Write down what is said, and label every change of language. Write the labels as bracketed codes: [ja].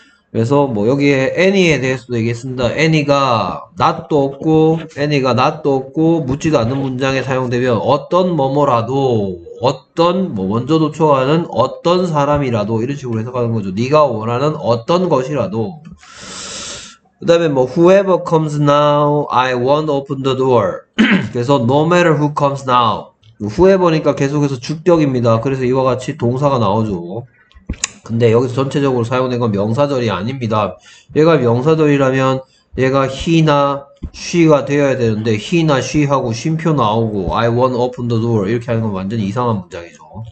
[ko] 그래서 뭐 여기에 any에 대해서도 얘기했습니다. any가 not도 없고 묻지도 않는 문장에 사용되면 어떤 뭐뭐라도 어떤 뭐 먼저 도착하는 어떤 사람이라도 이런 식으로 해석하는 거죠. 네가 원하는 어떤 것이라도. 그다음에 뭐 [en] whoever comes now, I won't open the door. [ko] 그래서 [en] no matter who comes now, whoever니까 [ko] 계속해서 주격입니다. 그래서 이와 같이 동사가 나오죠. 근데 여기서 전체적으로 사용된 건 명사절이 아닙니다. 얘가 명사절이라면 얘가 he나 she가 되어야 되는데 he나 she하고 쉼표 나오고 [en] I won't open the door [ko] 이렇게 하는 건 완전히 이상한 문장이죠.